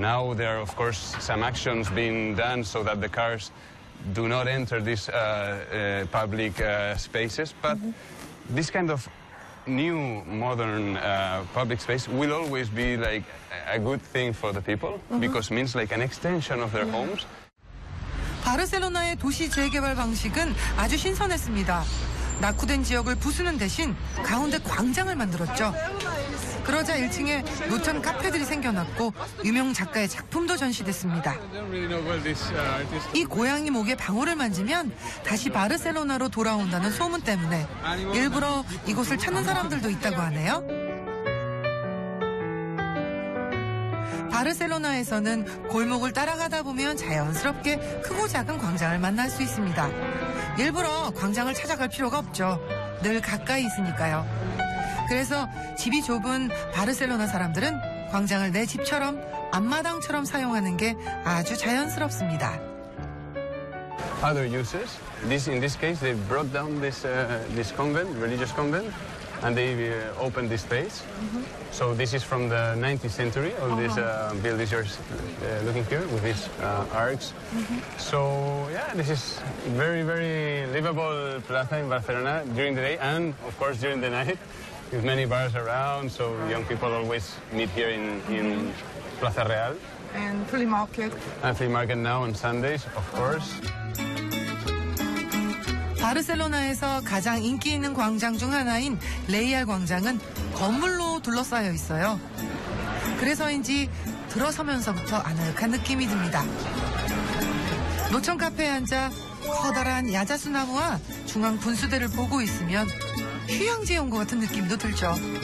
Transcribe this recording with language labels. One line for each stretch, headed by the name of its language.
English: Now there are, of course, some actions being done so that the cars do not enter these public spaces. But mm-hmm. this kind of new modern public space will always be like a good thing for the people mm-hmm. because it means like an extension of their yeah. homes.
Korean: 바르셀로나의 도시 재개발 방식은 아주 신선했습니다. 낙후된 지역을 부수는 대신 가운데 광장을 만들었죠. 그러자 1층에 노천 카페들이 생겨났고 유명 작가의 작품도 전시됐습니다. 이 고양이 목에 방울을 만지면 다시 바르셀로나로 돌아온다는 소문 때문에 일부러 이곳을 찾는 사람들도 있다고 하네요. 바르셀로나에서는 골목을 따라가다 보면 자연스럽게 크고 작은 광장을 만날 수 있습니다. 일부러 광장을 찾아갈 필요가 없죠. 늘 가까이 있으니까요. 그래서 집이 좁은 바르셀로나 사람들은 광장을 내 집처럼 앞마당처럼 사용하는 게 아주 자연스럽습니다.
English: Other uses. In this case, they brought down this this convent, religious convent, and they opened this space. Mm-hmm. So this is from the 19th century. All uh-huh. these buildings you're looking here with these arcs. Mm-hmm. So yeah, this is very very livable plaza in Barcelona during the day and of course during the night. With many bars around, so young people always meet here in Plaza Real. And flea market. And flea market now on Sundays, of course.
Korean: 바르셀로나에서 가장 인기 있는 광장 중 하나인 레이알 광장은 건물로 둘러싸여 있어요. 그래서인지 들어서면서부터 아늑한 느낌이 듭니다. 노천 카페에 앉아 커다란 야자수 나무와 중앙 분수대를 보고 있으면 휴양지에 온 것 같은 느낌도 들죠.